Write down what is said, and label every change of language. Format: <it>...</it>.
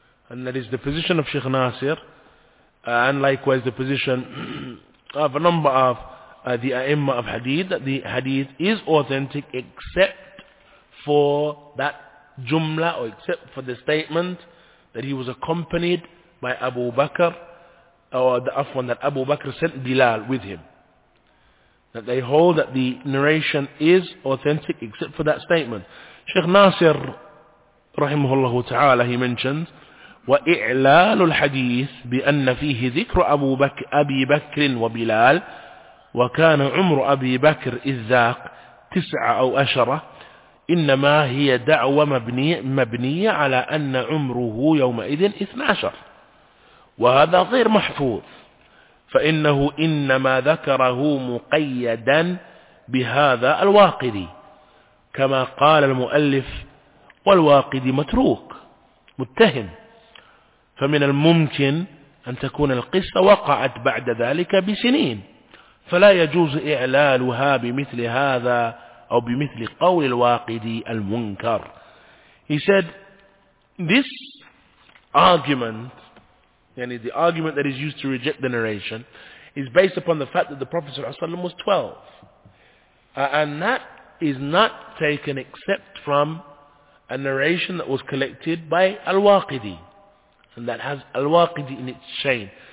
<en>and that is the position of Sheikh Nasir, and likewise the position of a number of the A'imma of hadith, that the hadith is authentic except for that jumla, or except for the statement that he was accompanied by Abu Bakr, or the Afwan, that Abu Bakr sent Bilal with him. That they hold that the narration is authentic except for that statement.</en> <ar>Sheikh Nasir, rahimahullah ta'ala,</ar> <en>he mentions,</en> <ar>وَإِعْلَالُ الْحَدِيثِ بِأَنَّ فِيهِ ذِكْرُ أَبُو بَكْرٍ أَبِي بَكْرٍ وَبِلَالٍ وَكَانَ عُمْرُ أَبِي بَكْرٍ إِذَّاقْ تِسْعَ أَوْ أَشَرَةٍ إنما هي دعوة مبنية على أن عمره يومئذ 12, وهذا غير محفوظ, فإنه إنما ذكره مقيدا بهذا الواقدي كما قال المؤلف, والواقدي متروك متهم, فمن الممكن أن تكون القصة وقعت بعد ذلك بسنين, فلا يجوز إعلالها بمثل هذا أو بمثل قول الواقدي المنكر.</ar> <en>He said, this argument, yani the argument that is used to reject the narration, is based upon the fact that the Prophet ﷺ was 12. And that is not taken except from a narration that was collected by al-Waqidi, and that has al-Waqidi in its chain.</en>